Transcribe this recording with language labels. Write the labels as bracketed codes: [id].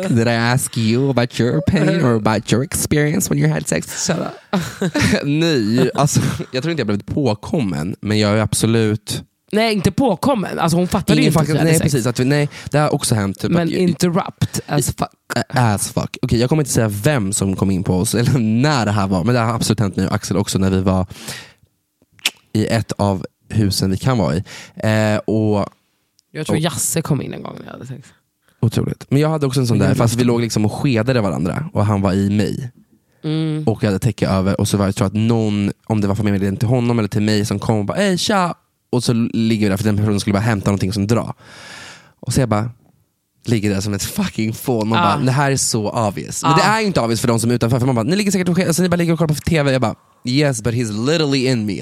[en] Did I ask you about your pain or about your experience when you had sex? Shut up. [sv] Nej, alltså, jag tror inte jag blev påkommen, men jag är absolut. Nej, inte påkommen. Alltså hon fattade ingen ju inte fucking, nej, precis, att vi, nej, det har också hänt. Typ, men att, [en] interrupt as fuck. As fuck. [sv] Okej, okay, jag kommer inte säga vem som kom in på oss eller när det här var, men det har absolut hänt med Axel också när vi var i ett av husen vi kan vara i. Och jag tror Jasse kom in en gång när jag hade sex. Otroligt. Men jag hade också en sån där, fast vi låg liksom och skedade varandra. Och han var i mig. Mm. Och jag hade täcke över. Och så var jag tror att någon, om det var familjen till honom eller till mig, som kom och bara, ej, tja. Och så ligger vi där, för den personen skulle bara hämta någonting som dra. Och så jag bara, ligger där som ett fucking fån. Och bara, det här är så obvious. Men det är inte obvious för dem som är utanför. För man bara, ni ligger säkert och sked. Och så ni bara ligger och kollar på tv. Jag bara, [en] yes, but he's literally in me.